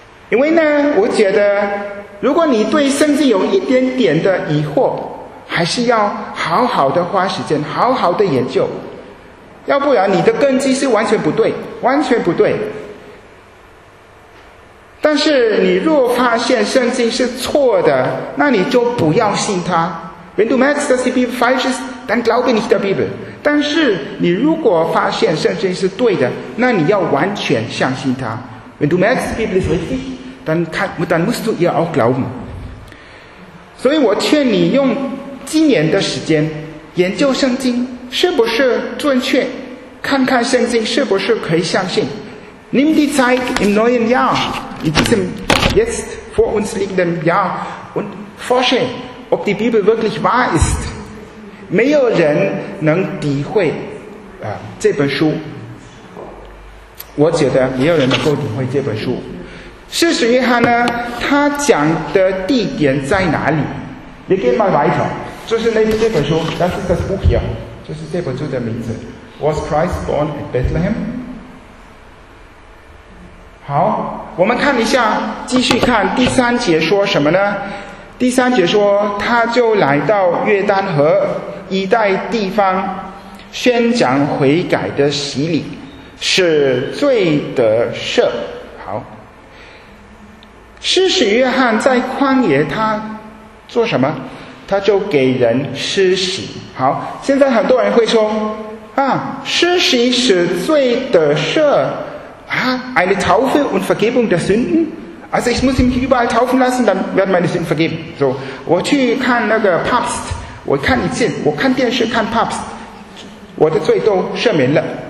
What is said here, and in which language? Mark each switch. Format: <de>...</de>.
<zh>因为呢，我觉得如果你对圣经有一点点的疑惑，还是要好好的花时间好好的研究，要不然你的根基是完全不对，完全不对。但是你若发现圣经是错的，那你就不要信它。</zh> <de>Wenn du merkst, dass die Bibel falsch ist, dann glaube nicht der Bibel。</de> <zh>但是你如果发现圣经是对的，那你要完全相信它。</zh> <de>Wenn du merkst, die Bibel ist richtig, dann musst du ihr auch glauben.</de> <zh>所以我劝你用今年的时间研究圣经是不是准确，看看圣经是不是可以相信。</zh> <de>Nimm die Zeit im neuen Jahr, in diesem jetzt vor uns liegenden Jahr, und forsche, ob die Bibel wirklich wahr ist.</de> <zh>没有人能诋毁这本书。我觉得也有人能够领会这本书。使徒约翰呢，他讲的地点在哪里？你给我买一本，就是那这本书 ，</zh> <en>That's the book here，</en> <zh>就是这本书的名字。</zh> <en>Was Christ born in Bethlehem？</en> <zh>好，我们看一下，继续看第三节说什么呢？第三节说，他就来到约旦河一带地方，宣讲悔改的洗礼。是罪得赦。好，施洗约翰在旷野他做什么？他就给人施洗。好，现在很多人会说施洗是罪得赦</zh> <de>eine Taufe und Vergebung der Sünden? Also ich muss mich überall taufen lassen, dann werden meine Sünden vergeben.</de> <zh>So, 我去看那个 Papst， 我看一次，我看电视看 Papst， 我的罪都赦免了。</zh>